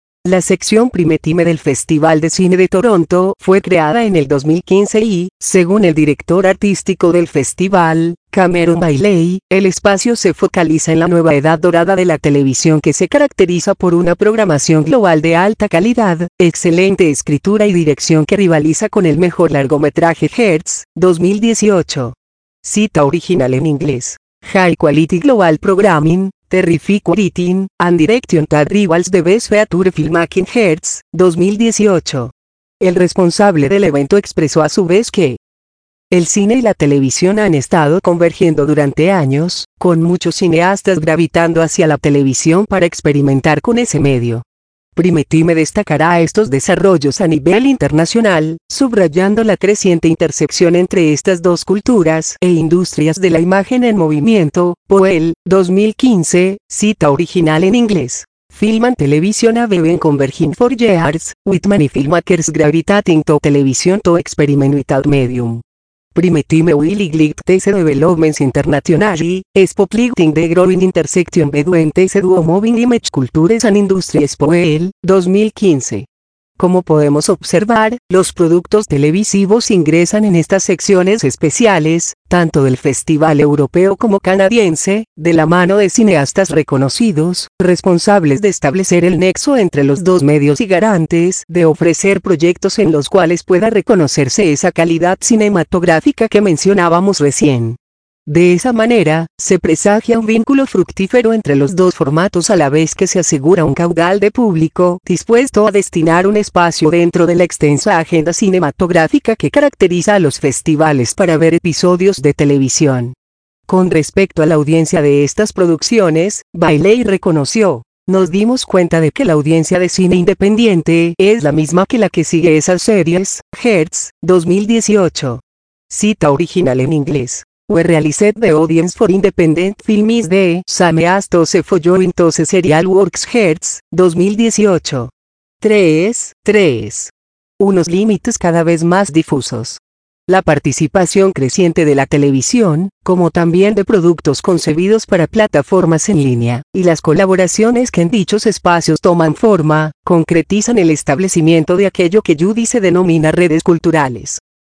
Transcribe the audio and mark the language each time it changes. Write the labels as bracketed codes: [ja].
[es] La sección Primetime del Festival de Cine de Toronto fue creada en el 2015 y, según el director artístico del festival, Cameron Bailey, el espacio se focaliza en la nueva edad dorada de la televisión que se caracteriza por una programación global de alta calidad, excelente escritura y dirección que rivaliza con el mejor largometraje Hertz, 2018. Cita original en inglés. [en] High Quality Global Programming, Terrific Editing, and Direction That Rivals the Best Feature Filmmaking Hertz, 2018. [es] El responsable del evento expresó a su vez que el cine y la televisión han estado convergiendo durante años, con muchos cineastas gravitando hacia la televisión para experimentar con ese medio. Primetime destacará estos desarrollos a nivel internacional, subrayando la creciente intersección entre estas dos culturas e industrias de la imagen en movimiento, POEL, 2015, cita original en inglés. [en] Film and Television have been converging for years, with many filmmakers gravitating to television to experiment with that medium. Primetime will ignite these developments internationally, spotlighting the growing intersection between these two moving image cultures and industries. POEL, 2015. [es] Como podemos observar, los productos televisivos ingresan en estas secciones especiales, tanto del Festival Europeo como Canadiense, de la mano de cineastas reconocidos, responsables de establecer el nexo entre los dos medios y garantes de ofrecer proyectos en los cuales pueda reconocerse esa calidad cinematográfica que mencionábamos recién. De esa manera, se presagia un vínculo fructífero entre los dos formatos a la vez que se asegura un caudal de público dispuesto a destinar un espacio dentro de la extensa agenda cinematográfica que caracteriza a los festivales para ver episodios de televisión. Con respecto a la audiencia de estas producciones, Bailey reconoció: "Nos dimos cuenta de que la audiencia de cine independiente es la misma que la que sigue esas series, Hertz, 2018. Cita original en inglés. [en] We realized the audience for independent film is the same as those for joint serial works Hertz, 2018. [es] 3. Unos límites cada vez más difusos. La participación creciente de la televisión, como también de productos concebidos para plataformas en línea, y las colaboraciones que en dichos espacios toman forma, concretizan el establecimiento de aquello que Judy se denomina redes culturales.